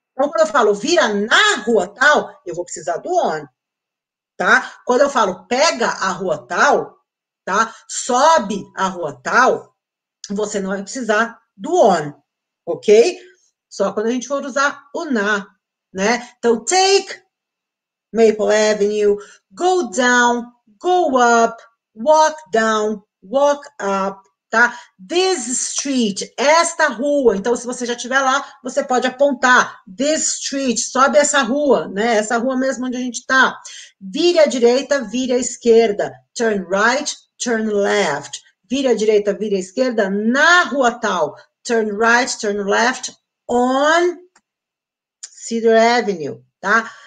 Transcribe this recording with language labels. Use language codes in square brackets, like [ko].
[pt] Então, quando eu falo vira na rua tal, eu vou precisar do on, tá? Quando eu falo pega a rua tal, tá? Sobe a rua tal, você não vai precisar do on, ok? Só quando a gente for usar o na, né? Então, [en] take Maple Avenue, go down, go up, walk down, walk up. Tá? This street, [pt] esta rua. Então, se você já estiver lá, você pode apontar. [en] This street, [pt] sobe essa rua, né? Essa rua mesmo onde a gente está. Vire à direita, vire à esquerda. [en] Turn right, turn left. [pt] Vire à direita, vire à esquerda na rua tal. [en] Turn right, turn left on Cedar Avenue, [pt] tá?